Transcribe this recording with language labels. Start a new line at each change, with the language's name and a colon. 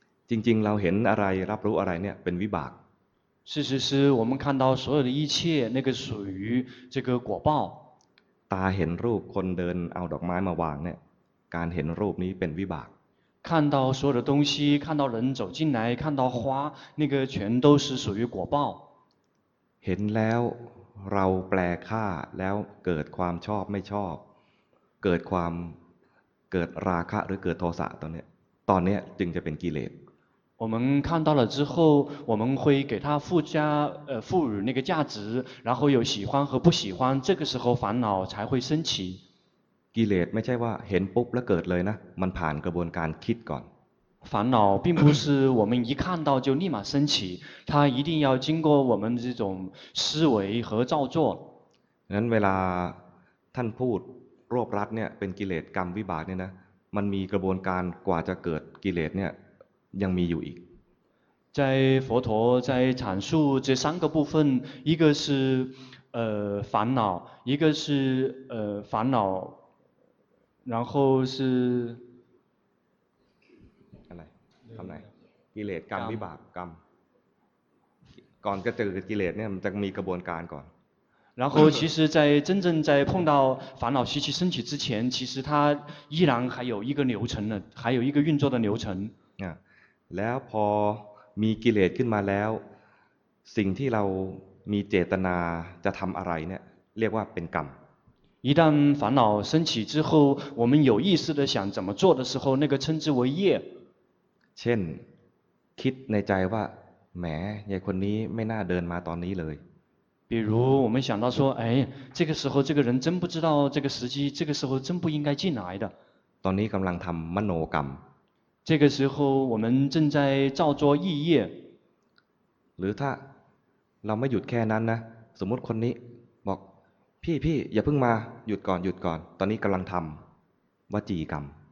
Thai: จริงๆเราเห็นอะไรรับรู้อะไรเนี่ยเป็นวิบาก
Chinese: 事实是我们看到所有的一切那个属于这个果报
Thai: ตาเห็นรูปคนเดินเอาดอกไม้มาวางเนี่ยการเห็นรูปนี้เป็นวิบาก
Chinese: 看到所有的东西看到人走进来看到花那个全都是属于果报
Thai: เห็นแล้วเราแปลค่าแล้วเกิดความชอบไม่ชอบเกิดราคะหรือเกิดโทสะตอนนี้จึงจะเป็นกิเลส
Chinese: 我们看到了之后我们会给他赋予那个价值然后有喜欢和不喜欢这个时候烦恼才会升起
Thai: กิเลสไม่ใช่ว่าเห็นปุ๊บแล้วเกิดเลยนะมันผ่านกระบวนการคิดก่อน
Chinese: 烦恼并不是我们一看到就立马升起它一定要经过我们这种思维和造作
Thai: นั้นเวลาท่านพูดรวบรัดเนี่ยเป็นกิเลสกรรมวิบากเนี่ยนะมันมีกระบวนการกว่าจะเกิดกิเลสเนี่ยยังมีอยู่อีก
Chinese: 在佛陀在阐述这三个部分一个是烦恼一个是烦恼然后是
Thai: อะไรทำไรกิเลสกรรมวิบากกรรมก่อนจะเจอกิเลสเนี่ยมันจะมีกระบวนการก่อน
Chinese: 然后其实在真正在碰到烦恼习气升起之前其实它依然还有一个流程的还有一个运作的流程
Thai: แล้วพอมีกิเลสขึ้นมาแล้วสิ่งที่เรามีเจตนาจะทำอะไรเนี่ยเรียกว่าเป็นกรรม
Chinese: 一旦烦恼升起之后我们有意识的想怎么做的时候那个称之为业
Thai: เช่นคิดในใจว่าแหมไอ้คนนี้ไม่น่าเดินมาตอนนี้เลย
Chinese: 比如我们想到说哎这个时候这个人真不知道这个时机这个时候真不应该进来的
Thai: ตอนนี้กำลังทำมโนกรรม
Chinese: 这个时候我们正在造作意业
Thai: หรือถ้าเราไม่หยุดแค่นั้นนะสมมติคนนี้บอกพี่อย่าเพิ่งมาหยุดก่อนตอนนี้กำลังทำวจีกรรม